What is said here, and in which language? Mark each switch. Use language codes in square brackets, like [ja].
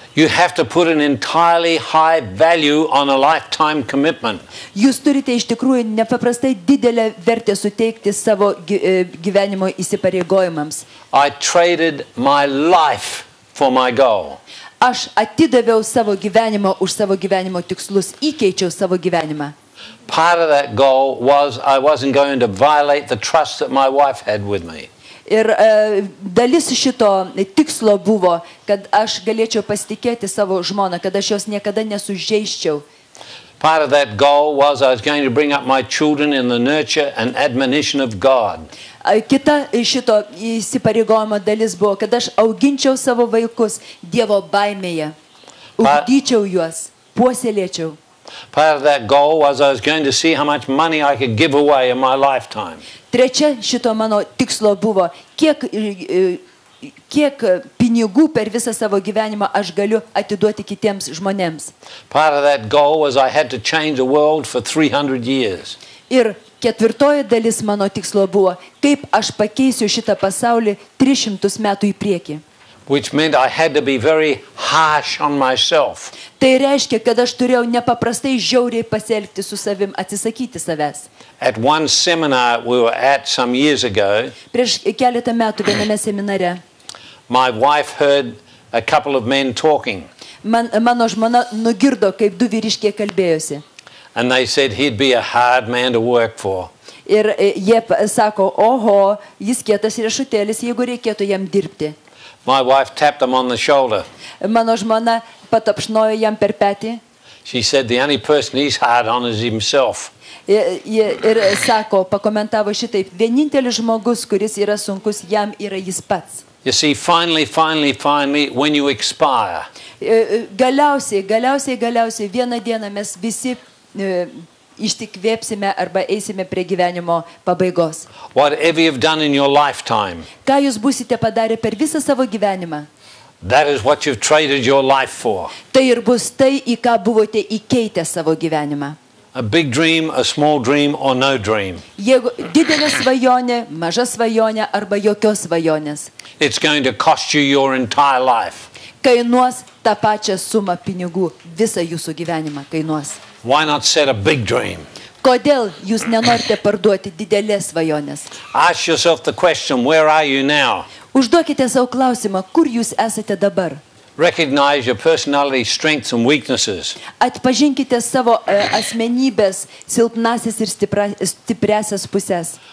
[en] You have to put an entirely high value on a lifetime commitment. [lt] Jūs turite iš tikrųjų nepaprastai didelę vertę suteikti savo gyvenimo įsipareigojimams. [en] I traded my life for my goal. [lt] Aš atidaviau savo gyvenimą už savo gyvenimo tikslus, įkeičiau savo gyvenimą. [en] Part of that goal was I wasn't going to violate the trust that my wife had with me. [lt] Ir dalis šito tikslo buvo, kad aš galėčiau pasitikėti savo žmoną, kad aš jos niekada nesužeisčiau. [en] Part of that goal was I was going to bring up my children in the nurture and admonition of God. [lt] Kita šito įsipareigojimo dalis buvo, kad aš auginčiau savo vaikus Dievo baimėje, ugdyčiau juos, puoselėčiau. [en] Part of that goal was I was going to see how much money I could give away in my lifetime. [lt] Trečia šito mano tikslo buvo, kiek pinigų per visą savo gyvenimą aš galiu atiduoti kitiems žmonėms. [en] Part of that goal was I had to change the world for 300 years. [lt] Ir ketvirtoji dalis mano tikslo buvo, kaip aš pakeisiu šitą pasaulį 300 metų į priekį. [en] Which meant I had to be very harsh on myself. [lt] Tai reiškia, kad aš turėjau nepaprastai žiauriai pasielgti su savim, atsisakyti savęs. [en] At one seminar we were at some years ago. [lt] Prieš keletą metų viename seminare. [en] My wife heard a couple of men talking. [lt] Mano žmona nugirdo, kaip du vyriškiai kalbėjosi. [en] And they said he'd be a hard man to work for. [lt] Ir jie sako, oho, jis kietas riešutėlis, jeigu reikėtų jam dirbti. [en] My wife tapped him on the shoulder. [lt] Mano žmona patapšnojo jam per petį. [en] She said the only person he's hard on is himself. [lt] Ir sako, pakomentavo šitaip, vienintelis žmogus, kuris yra sunkus, jam yra jis pats. [en] You see, finally, when you expire. [lt] Galiausiai, vieną dieną mes visi ištikvėpsime arba eisime prie gyvenimo pabaigos. [en] Whatever you've done in your lifetime. [lt] Ką jūs būsite padarę per visą savo gyvenimą. [en] That is what you've traded your life for. [lt] Tai ir bus tai, į ką buvote įkeitę savo gyvenimą. [en] A big dream, a small dream, or no dream. [lt] Jeigu didelė svajonė, maža svajonė arba jokios svajonės. [en] It's going to cost you your entire life. [lt] Kainuos tą pačią sumą pinigų, visą jūsų gyvenimą kainuos. [en] Why not set a big dream? [lt] Kodėl jūs nenorite parduoti didelės svajonės? [en] Ask yourself the question, where are you now? [lt] Užduokite savo klausimą, kur jūs esate dabar? [en] Recognize your personality strengths and weaknesses. [lt] Atpažinkite savo asmenybės silpnasis ir stipriasias puses.